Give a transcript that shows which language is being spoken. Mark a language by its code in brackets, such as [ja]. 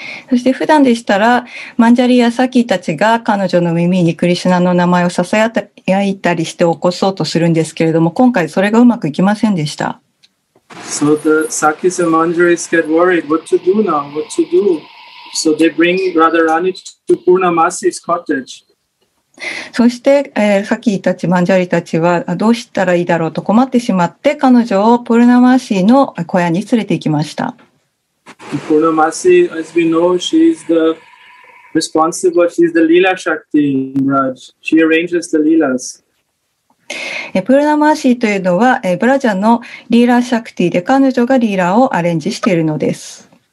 [ja] そして普段でしたらマンジャリやサキーたちが彼女の耳にクリシュナの名前をささやいたりして起こそうとするんですけれども、今回それがうまくいきませんでした。 [en] So the Sakis and Manjaris get worried, what to do now, what to do? So they bring Radharani to Purnamasi's cottage. [ja] そして、サキーたちマンジャリたちはどうしたらいいだろうと困ってしまって、彼女をプルナマーシーの小屋に連れて行きました。 [en] Purnamasi, as we know, she is the responsible, she is the Leela Shakti in Raj. She arranges the Leelas. [ja] Purnamasi というのは、ブラジャのリーラシャクティで、彼女がリーラをアレンジしているのです。